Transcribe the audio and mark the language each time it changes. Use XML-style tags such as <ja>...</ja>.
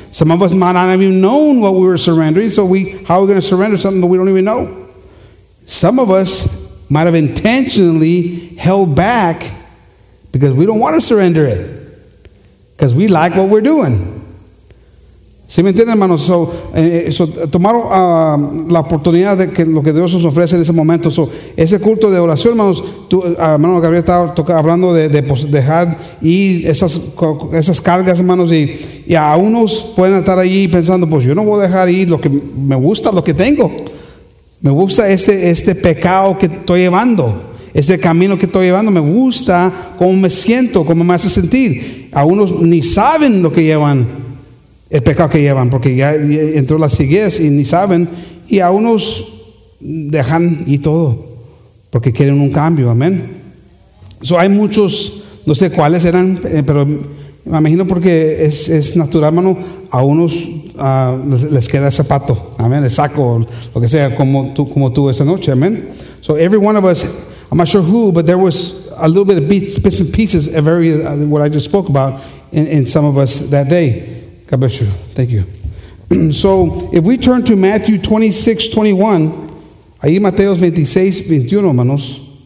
<en>Some of us might not have even known what we were surrendering, so how are we going to surrender something that we don't even know? Some of us might have intentionally held back because we don't want to surrender it, because we like what we're doing.</en> <es>¿Sí me entienden, hermanos? So tomaron la oportunidad de que lo que Dios nos ofrece en ese momento. So, ese culto de oración, hermanos, hermano Gabriel estaba hablando de dejar ir esas cargas, hermanos, y a unos pueden estar allí pensando, pues yo no voy a dejar ir lo que me gusta, lo que tengo. Me gusta este pecado que estoy llevando, este camino que estoy llevando. Me gusta cómo me siento, cómo me hace sentir. A unos ni saben lo que llevan. El pecado que llevan, porque ya entró la ceguez y ni saben, y a unos dejan y todo, porque quieren un cambio, amén. So hay muchos, no sé cuáles eran, pero me imagino porque es natural, hermano, a unos les queda el zapato, amén, el saco, lo que sea, como tú esa noche, amén.</es> <en>So every one of us, I'm not sure who, but there was a little bit of bits and pieces of what I just spoke about in some of us that day. God bless you. Thank you. So, if we turn to Matthew 26:21,</en> <es>ahí Mateo 26:21, hermanos.</es>